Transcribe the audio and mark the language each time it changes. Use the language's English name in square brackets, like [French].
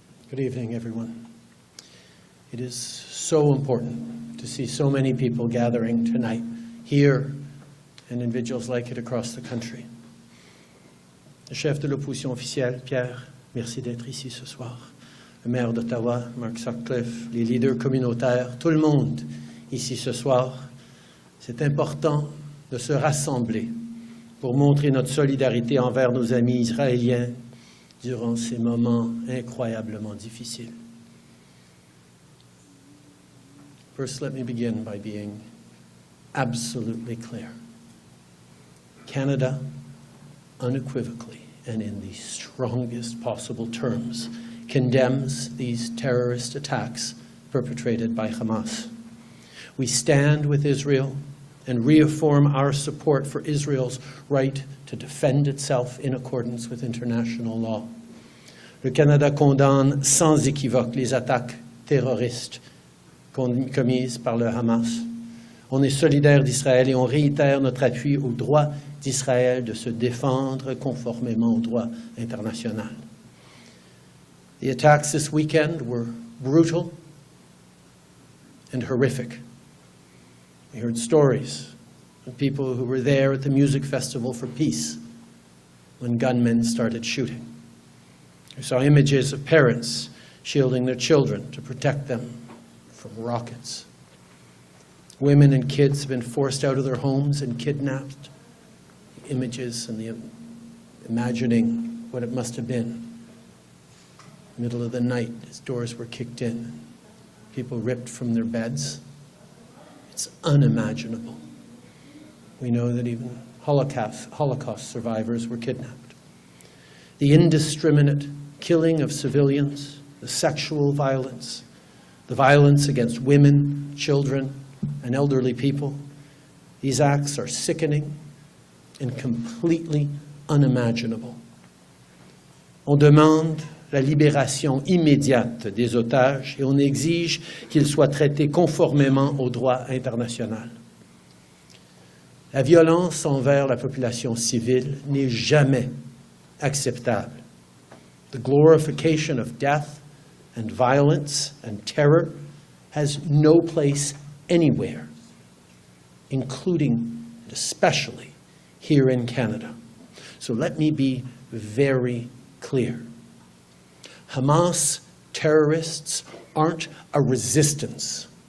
[English] Good evening, everyone. It is so important to see so many people gathering tonight here and in vigils like it across the country. [French] Le chef de l'opposition officielle, Pierre, merci d'être ici ce soir. Le maire d'Ottawa, Mark Sutcliffe, les leaders communautaires, tout le monde ici ce soir. C'est important de se rassembler pour montrer notre solidarité envers nos amis israéliens durant ces moments incroyablement difficiles. [English] First, let me begin by being absolutely clear. Canada unequivocally and in the strongest possible terms condemns these terrorist attacks perpetrated by Hamas. We stand with Israel and reaffirm our support for Israel's right to defend itself in accordance with international law. [French] Le Canada condamne sans équivoque les attaques terroristes commises par le Hamas. On est solidaire d'Israël et on réitère notre appui au droit d'Israël de se défendre conformément au droit international. [English] The attacks this weekend were brutal and horrific. We heard stories of people who were there at the music festival for peace when gunmen started shooting. We saw images of parents shielding their children to protect them from rockets. Women and kids have been forced out of their homes and kidnapped. The images and the imagining what it must have been. Middle of the night, as doors were kicked in, people ripped from their beds. It's unimaginable. We know that even Holocaust survivors were kidnapped. The indiscriminate killing of civilians, the sexual violence, the violence against women, children, and elderly people, these acts are sickening and completely unimaginable. [French] On demande la libération immédiate des otages et on exige qu'ils soient traités conformément au droit international. La violence envers la population civile n'est jamais acceptable. [English] The glorification of death and violence and terror has no place anywhere, including and especially here in Canada. So let me be very clear. Hamas terrorists aren't a resistance.